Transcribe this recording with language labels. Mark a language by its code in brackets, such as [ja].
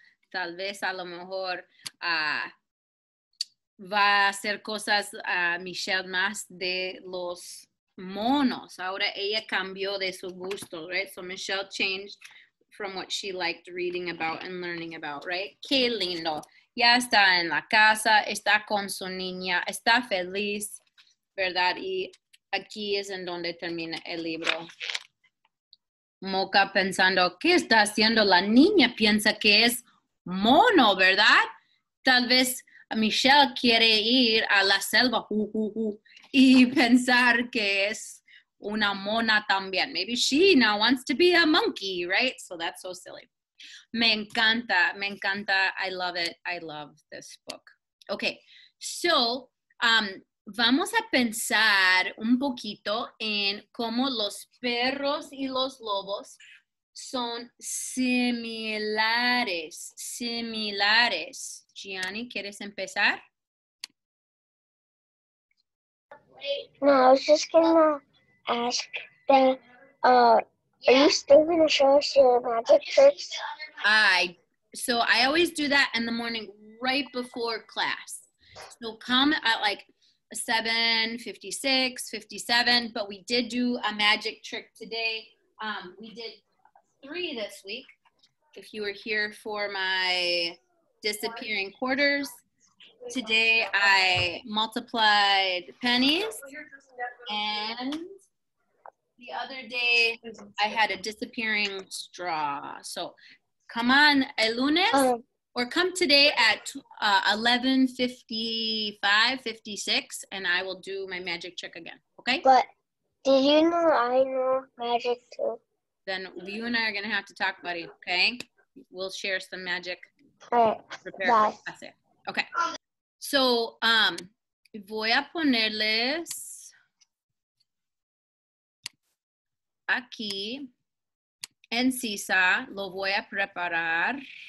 [es] Tal vez a lo mejor va a hacer cosas a Michelle más de los monos. Ahora ella cambió de su gusto, right? [en] So Michelle changed from what she liked reading about and learning about, right? [es] Qué lindo. Ya está en la casa, está con su niña, está feliz. ¿Verdad? Y aquí es en donde termina el libro. Mocha pensando, ¿qué está haciendo la niña? Piensa que es mono, ¿verdad? Tal vez Michelle quiere ir a la selva y pensar que es una mona también. [en] Maybe she now wants to be a monkey, right? So that's so silly. [es] Me encanta, [en] I love it. I love this book. [es] Okay, so vamos a pensar un poquito en cómo los perros y los lobos son similares, similares. Gianni, ¿quieres empezar? [en] No, I was just gonna ask that, are you still gonna show us your magic tricks? So I always do that in the morning right before class. So come at like 7:56, 57, but we did do a magic trick today. We did three this week. If you were here for my disappearing quarters, today I multiplied pennies, and the other day I had a disappearing straw. So come on [es] el lunes, [en] or come today at 11:55, 56, and I will do my magic trick again, okay? But did you know I know magic too? Then you and I are gonna have to talk, buddy, okay? We'll share some magic. Bye. Okay. [es] So, voy a ponerles aquí en Sisa, lo voy a preparar.